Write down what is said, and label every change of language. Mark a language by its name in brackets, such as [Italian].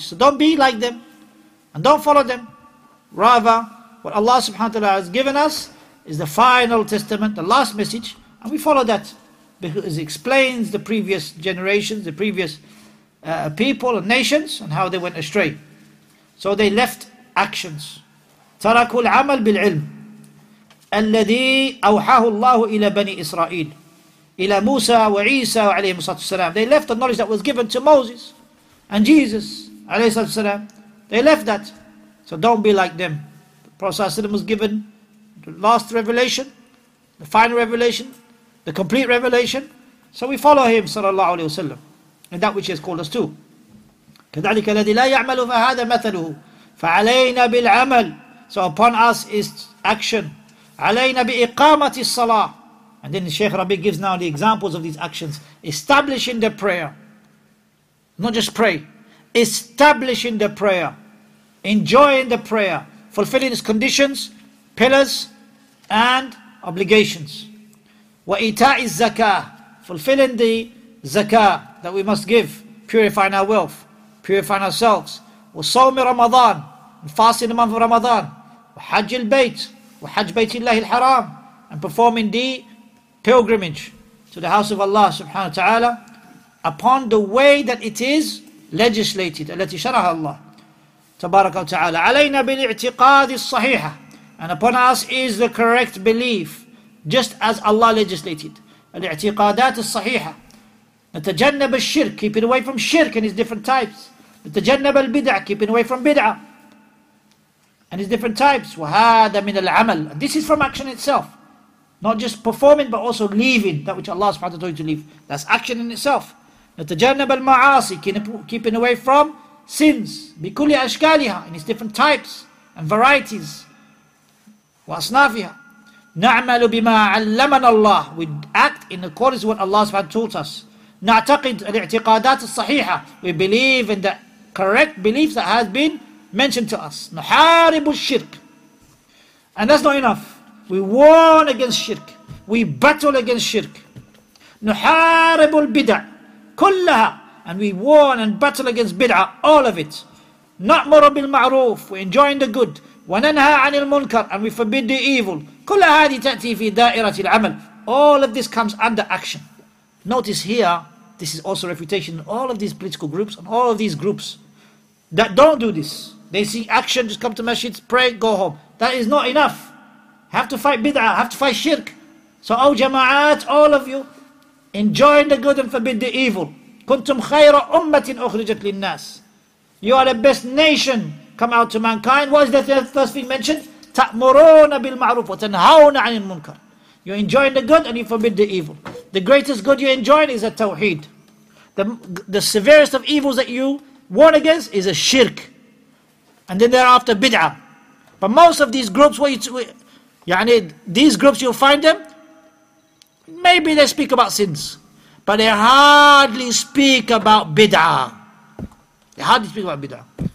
[English] So don't be like them, and don't follow them. Rather, what Allah subhanahu wa ta'ala has given us is the final testament, the last message, and we follow that, because it explains the previous generations, the previous people and nations, and how they went astray. So they left actions. [Arabic] تَرَكُوا الْعَمَلْ بِالْعِلْمِ الَّذِي أَوْحَاهُ اللَّهُ إِلَى بَنِي إِسْرَائِيلِ إلى موسى وعيسى عليهم الصلاة والسلام. [English] They left the knowledge that was given to Moses and Jesus عليه الصلاة والسلام. They left that. So don't be like them. The Prophet was given the last revelation, the final revelation, the complete revelation. So we follow him صلى الله عليه وسلم in that which he has called us to. [Arabic] كذلك الذي لا يعمل فهذا مثله فعلينا بالعمل. [English] So upon us is action. [Arabic] علينا بإقامة الصلاة. [English] And then Shaykh Rabi gives now the examples of these actions. Establishing the prayer. Not just pray. Establishing the prayer. Enjoying the prayer. Fulfilling its conditions, pillars, and obligations. [Arabic] وَإِتَاءِ الزَّكَاةِ. [English] Fulfilling the zakah that we must give. Purifying our wealth. Purifying ourselves. [Arabic] وَصَوْمِ رَمَضَانِ. [English] Fasting the month of Ramadan. [Arabic] وَحَجِّ الْبَيْتِ. وَحَجِّ بَيْتِ اللَّهِ الْحَرَامِ. [English] And performing the pilgrimage to the house of Allah subhanahu wa ta'ala upon the way that it is legislated, [Arabic] التي شرعها الله تبارك وتعالى. علينا بالاعتقاد الصحيح. [English] And upon us is the correct belief, just as Allah legislated. [Arabic] الاعتقادات الصحيحة. نتجنب الشرك, [English] keeping away from shirk and his different types. [Arabic] نتجنب البدع, [English] keeping away from bid'ah and his different types. [Arabic] وهذا من العمل. [English] This is from action itself. Not just performing, but also leaving that which Allah subhanahu wa ta'ala told you to leave. That's action in itself. [Arabic] نتجنب المعاصي, [English] keeping away from sins. [Arabic] بكل أشكالها, [English] in its different types and varieties. [Arabic] وأصنافها. نعمل بما علمنا الله. [English] We act in accordance with what Allah subhanahu wa ta'ala taught us. [Arabic] نعتقد الاعتقادات الصحيحة. [English] We believe in the correct beliefs that has been mentioned to us. [Arabic] نحارب الشرك. [English] And that's not enough. We warn against shirk. We battle against shirk. [Arabic] نحارب البدع كلها. [English] And we warn and battle against bid'ah, all of it. [Arabic] نأمر بالمعروف. [English] We enjoin the good. [Arabic] وننهى عن المنكر. [English] And we forbid the evil. [Arabic] كل هذه تأتي في دائرة العمل. [English] All of this comes under action. Notice here, this is also refutation. All of these political groups and all of these groups that don't do this. They see action, just come to masjid, pray, go home. That is not enough. Have to fight bid'ah, have to fight shirk. So, oh jama'at, all of you, enjoin the good and forbid the evil. [Arabic] كنتم خير أمة أخرجت للناس. [English] You are the best nation, come out to mankind. What is the third thing mentioned? [Arabic] تأمرون بالمعروف وتنهون عن المنكر. [English] You enjoin the good and you forbid the evil. The greatest good you enjoin is a tawheed. The severest of evils that you warn against is a shirk. And then thereafter, bid'ah. But most of these groups, يعني these groups, you'll find them, maybe they speak about sins, but they hardly speak about bid'ah. They hardly speak about bid'ah.